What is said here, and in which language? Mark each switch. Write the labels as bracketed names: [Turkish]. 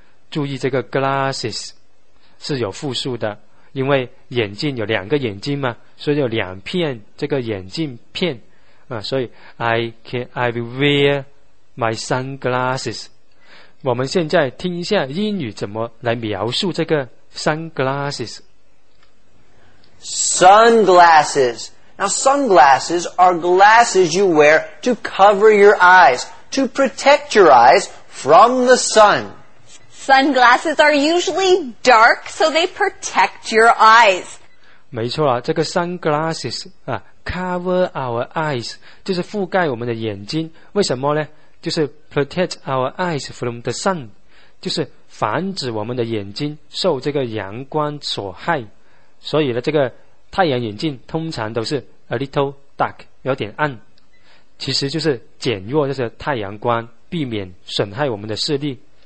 [Chinese] 注意这个 glasses 是有复数的，因为眼镜有两个眼镜嘛，所以有两片这个眼镜片所以 [English] I will wear my sunglasses。 [Chinese] 我们现在听一下英语怎么来描述这个 sunglasses。 [English] Sunglasses. Now sunglasses are glasses you wear to cover your eyes, to protect your eyes from the sun. Sunglasses are usually dark, so they protect your eyes. [Chinese] 没错啊，这个 sunglasses [English] cover our eyes [Chinese] 就是覆盖我们的眼睛。为什么呢？就是 [English] protect our eyes from the sun， [Chinese] 就是防止我们的眼睛受这个阳光所害。所以呢，这个太阳眼镜通常都是 [English] a little dark， [Chinese] 有点暗，其实就是减弱这些太阳光，避免损害我们的视力。